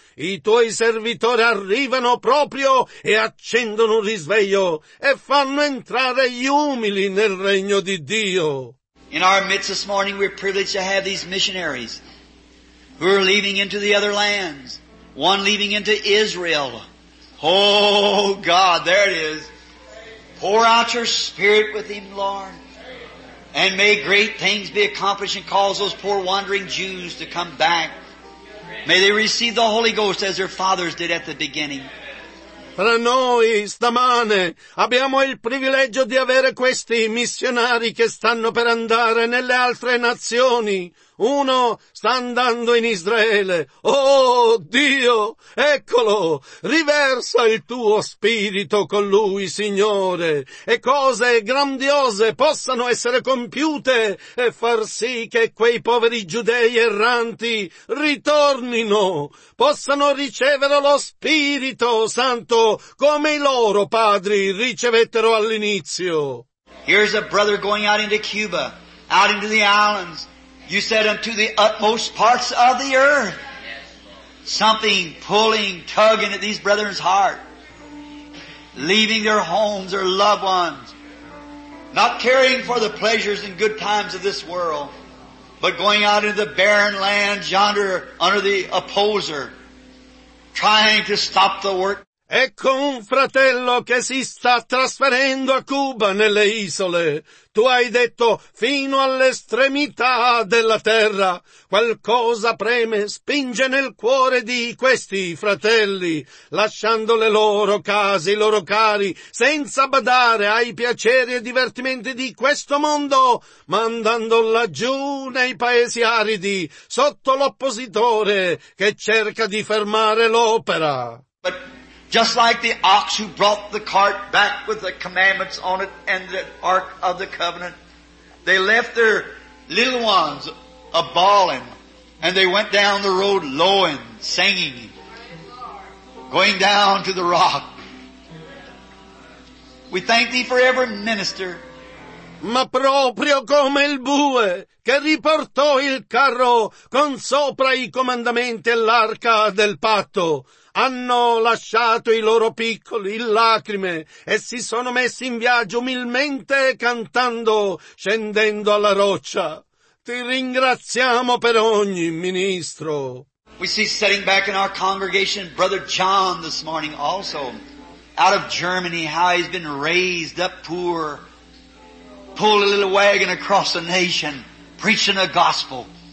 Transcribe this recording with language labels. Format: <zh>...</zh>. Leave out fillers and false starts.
<it>I tuoi servitori arrivano proprio e accendono un risveglio e fanno entrare gli umili nel regno di Dio.</it> <en>In our midst this morning, we're privileged to have these missionaries who are leaving into the other lands. One leaving into Israel. Oh, God, there it is. Pour out your Spirit with him, Lord. And may great things be accomplished and cause those poor wandering Jews to come back. May they receive the Holy Ghost as their fathers did at the beginning.</en> <it>Per noi stamane abbiamo il privilegio di avere questi missionari che stanno per andare nelle altre nazioni. Uno sta andando in Israele. Oh Dio, eccolo, riversa il tuo spirito con lui, Signore, e cose grandiose possano essere compiute e far sì che quei poveri giudei erranti ritornino, possano ricevere lo Spirito Santo come i loro padri ricevettero all'inizio.</it> <en>Here's a brother going out into Cuba, out into the islands. You said unto the utmost parts of the earth. Something pulling, tugging at these brethren's heart. Leaving their homes, their loved ones. Not caring for the pleasures and good times of this world. But going out into the barren lands yonder under the opposer. Trying to stop the work.</en> <it>Ecco un fratello che si sta trasferendo a Cuba nelle isole. Tu hai detto fino all'estremità della terra. Qualcosa preme, spinge nel cuore di questi fratelli, lasciando le loro case, i loro cari, senza badare ai piaceri e divertimenti di questo mondo, ma andando laggiù nei paesi aridi, sotto l'oppositore che cerca di fermare l'opera.</it> <en>Just like the ox who brought the cart back with the commandments on it and the Ark of the Covenant, they left their little ones a-bawling, and they went down the road lowing, singing, going down to the rock. We thank thee for every minister.</en> <it>Ma proprio come il bue che riportò il carro con sopra i comandamenti e l'arca del patto, hanno lasciato i loro piccoli in lacrime e si sono messi in viaggio umilmente cantando, scendendo alla roccia. Ti ringraziamo per ogni ministro.</it> <en>We see sitting back in our congregation Brother John this morning also, out of Germany, how he's been raised up poor. Pull a little wagon across the nation, preaching the gospel.</en>